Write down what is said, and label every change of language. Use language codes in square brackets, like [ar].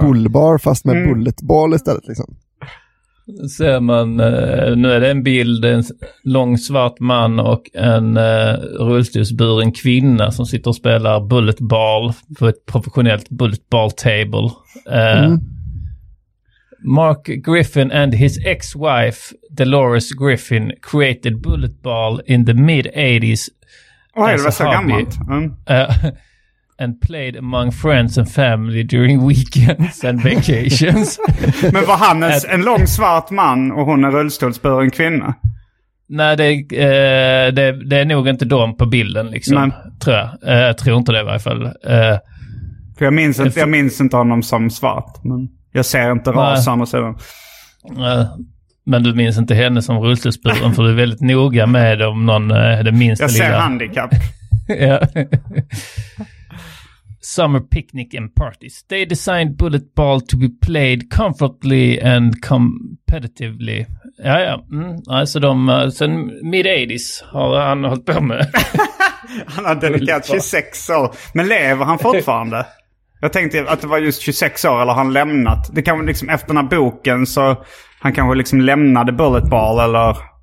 [sv] bullbar fast med bulletball istället liksom. Ser man, nu är det en bild, en lång svart man och en rullstolsburen kvinna som sitter och spelar bulletball på ett professionellt bulletball table. [en] Mark Griffin and his ex-wife Dolores Griffin created bulletball in the mid-80s. [sv] Oj, det var så gammalt. [en] And played among friends and family during weekends and vacations. [sv] Men var han en lång svart man och hon är rullstolsburen kvinna? Nej, det är nog inte de på bilden liksom. Men, tror inte det i alla fall. För jag minns inte honom som svart, men jag ser inte rasan och sådär. Men du minns inte henne som rullstolsburen, för du är väldigt noga med om någon är det minsta lilla. Jag ser lilla handikapp. Ja. [en] Summer picnic and parties. They designed bullet ball to be played comfortably and competitively. [sv] Ja. Alltså de, sen mid-80s har han hållit på med. Han har dedikerat 26 år. Men lever han fortfarande? Jag tänkte att det var just 26 år eller han lämnat. Det kan vara liksom efter den här boken så han kanske liksom lämnade bullet ball eller...